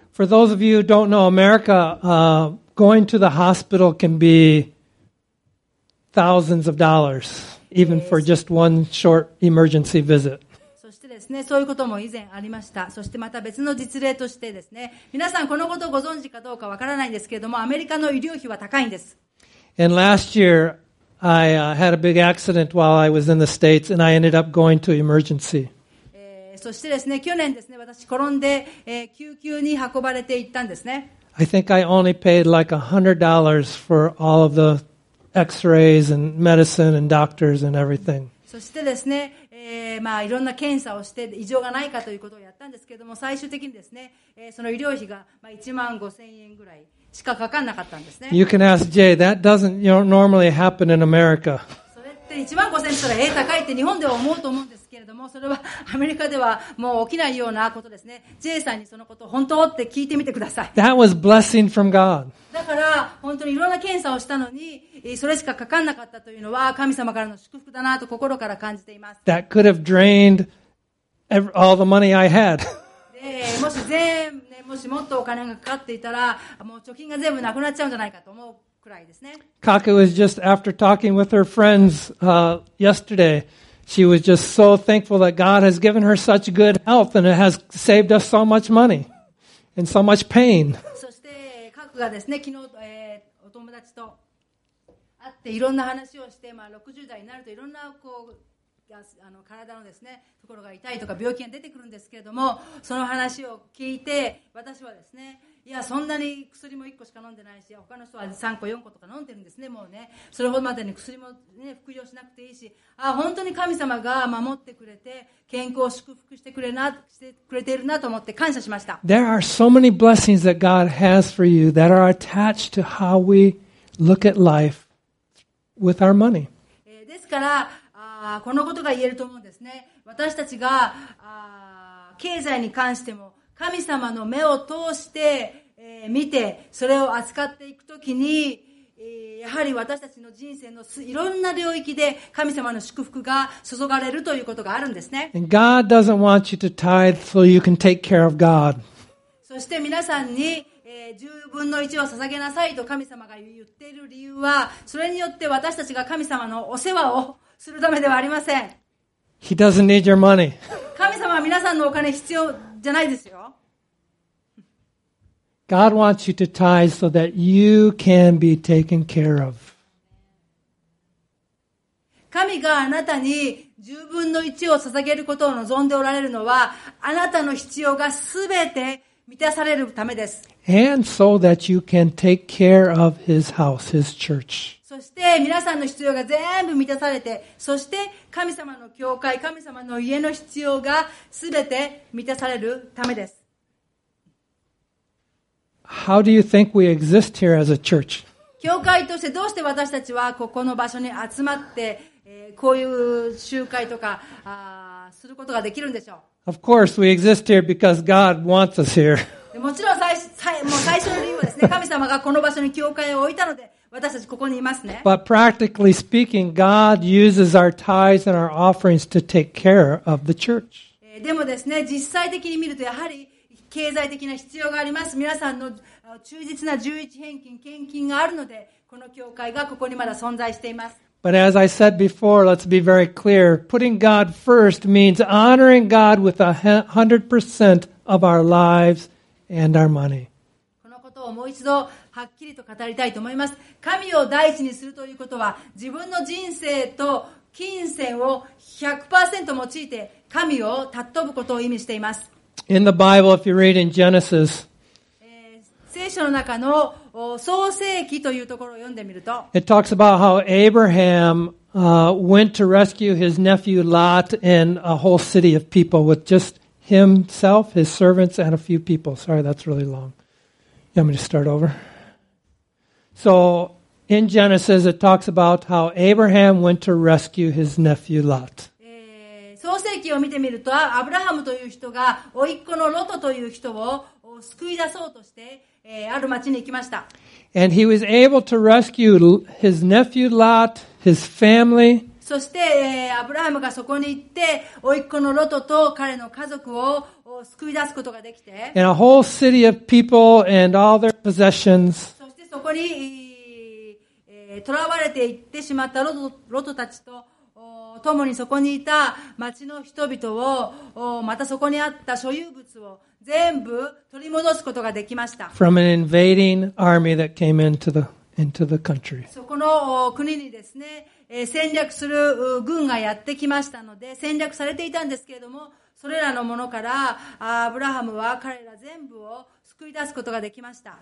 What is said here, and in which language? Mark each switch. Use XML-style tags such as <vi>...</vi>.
<en>For those of you who don't know America, going to the hospital can be thousands of dollars, even for just one short emergency visit.</en> <ja>ですね、そういうことも以前ありました。そしてまた別の実例としてですね、皆さんこのことをご存知かどうかわからないんですけれども、アメリカの医療費は高いんです。</ja> <en>And last year, I had a big accident while I was in the States, and I ended up going to emergency.</en> <ja>そしてですね、去年ですね、私転んで、救急に運ばれていったんですね。</ja> <en>I think I only paid like $100 for all of the X-rays and medicine and doctors and everything.</en> <ja>そしてですね、まあ、いろんな検査をして異常がないかということをやったんですけれども、最終的にですね、その医療費が1万5000円ぐらいしかかかんなかったんですね。</ja> <en>You can ask Jay, that doesn't normally happen in America.</en> <ja>それって1万5000円って高いって日本では思うと思うんですけれども、それはアメリカではもう起きないようなことですね。 Jay さんにそのことを本当って聞いてみてください。</ja> <en>That was blessing from God.</en> <ja>だから本当にいろんな検査をしたのに、それしかかかんなかったというのは神様からの祝福だなと心から感じています。</ja> <en>That could have drained all the money I had.</en> <ja>もし全、ね、もしもっとお金がかかっていたら、もう貯金が全部なくなっちゃうんじゃないかと思うくらいですね。</ja> <en>Kaku was just after talking with her friends yesterday, she was just so thankful that God has given her such good health and it has saved us so much money. and so much pain.</en> <ja>そして各がですね、昨日、お友達と会っていろんな話をして、まあ、60代になるといろんなこう体のですね、ところが痛いとか病気が出てくるんですけれども、その話を聞いて、私はですね、いや、そんなに薬も1個しか飲んでないし、他の人は3個、4個とか飲んでるんですね、もうね、それほどまでに薬も、ね、服用しなくていいし、あ、本当に神様が守ってくれて、健康を祝福してくれな、してくれているなと思って感謝しました。</ja> <en>There are so many blessings that God has for you that are attached to how we look at life with our money.</en> <ja>ですから、このことが言えると思うんですね。私たちが経済に関しても神様の目を通して、見てそれを扱っていくときに、やはり私たちの人生のいろんな領域で神様の祝福が注がれるということがあるんですね。</ja> <en>And God doesn't want you to tithe so you can take care of God.</en> <ja>そして皆さんに10分の1を捧げなさいと神様が言っている理由は、それによって私たちが神様のお世話をするためではありません。</ja> <en>He doesn't need your money.</en> <ja>神様は皆さんのお金必要じゃないですよ。</ja> <en>God wants you to tithe so that you can be taken care of.</en> <ja>神があなたに10分の1を捧げることを望んでおられるのは、あなたの必要がすべて満たされるためです。</ja> <en>And so that you can take care of his house, his church.</en> <ja>そして皆さんの必要が全部満たされて、そして神様の教会、神様の家の必要がすべて満たされるためです。</ja> <en>How do you think we exist here as a church?</en> <ja>教会としてどうして私たちはここの場所に集まって、こういう集会とか、することができるんでしょう。</ja> <en>Of course, we exist here because God wants us here.</en> <ja>もちろん最初の理由はですね、神様がこの場所に教会を置いたので私たちここにいますね。</ja> <en>But practically speaking, God uses our tithes and our offerings to take care of the church.</en> <ja>でもですね、実際的に見るとやはり経済的な必要があります。皆さんの忠実な十一返金、献金があるので、この教会がここにまだ存在しています。</ja> <en>But as I said before, let's be very clear. Putting God first means honoring God with 100% of our lives and our money.</en> <ja>このことをもう一度はっきりと語りたいと思います。神を第一にするということは、自分の人生と金銭を 100% 用いて神を尊ぶことを意味しています。</ja> <en>In the Bible, if you read in Genesis,</en> <ja>聖書の中の創世記というところを読んでみると、</ja> <en>It talks about how Abraham, went to rescue his nephew Lot and a whole city of people with just himself, his servants, and a few people. Sorry, that's really long. You want me to start over? So, in Genesis, it talks about how Abraham went to rescue his nephew Lot.</en> <ja>創世記を見てみると、アブラハムという人が、おいっ子のロトという人を救い出そうとして、ある町に行きました。</ja> <en>And he was able to rescue his nephew Lot, his family.</en> <ja>そして、アブラハムがそこに行って、おいっ子のロトと彼の家族を救い出すことができて。</ja> <en>And a whole city of people and all their possessions.</en> <ja>そしてそこに、囚われて行ってしまったロトたちと、共にそこにいた町の人々を、またそこにあった所有物を全部取り戻すことができました。</ja> <en>From an invading army that came into the country.</en> <ja>そこの国にですね、戦略する軍がやってきましたので、戦略されていたんですけれども、それらのものから、アブラハムは彼ら全部を救い出すことができました。</ja>